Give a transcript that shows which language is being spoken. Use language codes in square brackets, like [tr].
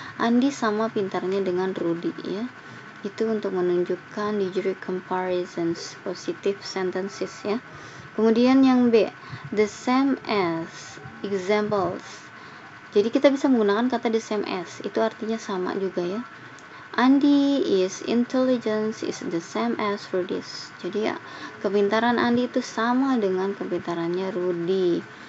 [id] Andi sama pintarnya dengan Rudy ya. Itu untuk menunjukkan [en] degree comparisons, positive sentences [id] ya. Kemudian yang [en] B, the same as, examples. [id] Jadi kita bisa menggunakan kata the same as. Itu artinya sama juga ya. [en] Andi is intelligence is the same as Rudy's. [id] Jadi ya, kepintaran Andi itu sama dengan kepintarannya Rudy.